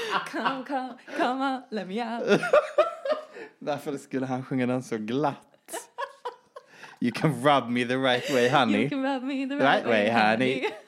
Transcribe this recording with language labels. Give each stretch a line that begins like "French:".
English: Come, come, come on, let me out.
Swedish: Varför skulle han sjunga den så glatt?
English: You can rub me the right way, honey. You can rub me the right way, honey.